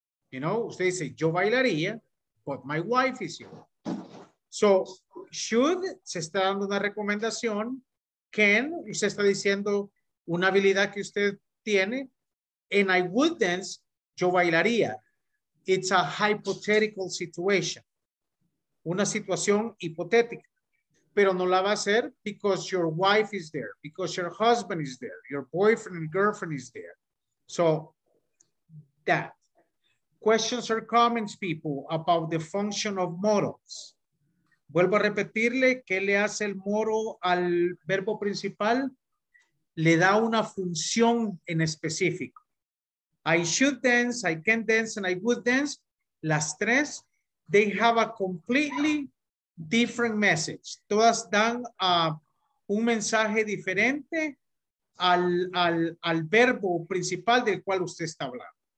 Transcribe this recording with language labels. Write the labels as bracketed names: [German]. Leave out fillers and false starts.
[English] You know, [Spanish] usted dice, yo bailaría, [English] but my wife is here. [Spanish] So, should, se está dando una recomendación. Can, se está diciendo una habilidad que usted tiene. [English] And I would dance, [Spanish] yo bailaría. [English] It's a hypothetical situation. [Spanish] Una situación hipotética. Pero no la va a hacer [English] because your wife is there, because your husband is there, your boyfriend and girlfriend is there. So, that. Questions or comments, people, about the function of modals. [Spanish] Vuelvo a repetirle, ¿qué le hace el modal al verbo principal? Le da una función en específico. [English] I should dance, I can dance, and I would dance. [Spanish] Las tres, [English] they have a completely different message. [Spanish] Todas dan un mensaje diferente al verbo principal del cual usted está hablando.